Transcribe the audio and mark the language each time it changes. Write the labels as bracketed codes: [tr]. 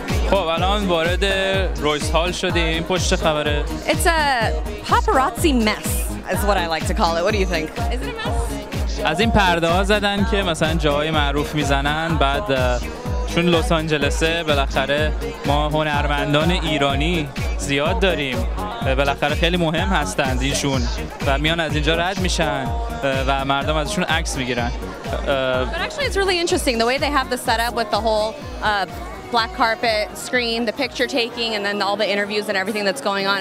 [fa] خب الان وارد رویس هال شدیم. پشت خبره [en] It's a paparazzi mess is what I like to call it. What do you think? Is it a mess? [fa] از این پرده ها زدن که مثلا جاهای معروف میزنن، بعد چون لس آنجلسه بالاخره ما هنرمندان ایرانی زیاد داریم، بالاخره خیلی مهم هستند ایشون و میان از اینجا رد میشن و مردم ازشون عکس میگیرن. [en] But actually it's really interesting the way they have the setup with the whole black carpet screen, the picture taking and then all the interviews and everything that's going on.